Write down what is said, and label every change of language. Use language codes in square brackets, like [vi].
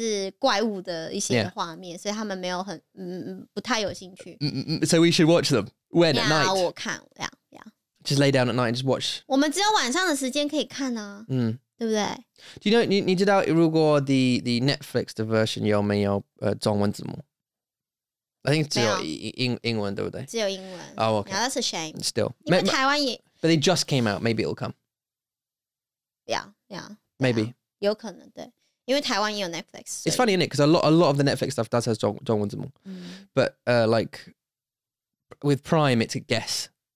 [zh] 就没有很多打架或是怪物的一些画面, yeah. 所以他们没有很, 不太有兴趣, [en] so we should watch them, when, yeah, at night? [zh] 我看, yeah. [en] Just lay down at night and just watch. [zh] 我们只有晚上的时间可以看啊, 嗯, 对不对? [en] Do you know, [zh] 你知道, 如果 [en] the Netflix 的 version [zh] 有没有, 中文字幕? [en] I think it's [zh] 只有英文,对不对? 只有英文。 [en] Oh, okay. Yeah, that's a shame. Still. [zh] 因为台湾也... [en] But they just came out. Maybe it'll come. Yeah. Maybe. [zh] 有可能,对。因为台湾也有Netflix. [en] So... It's funny, isn't it? Because a lot of the Netflix stuff does have 中文字幕. Mm. But like, with Prime, it's a guess.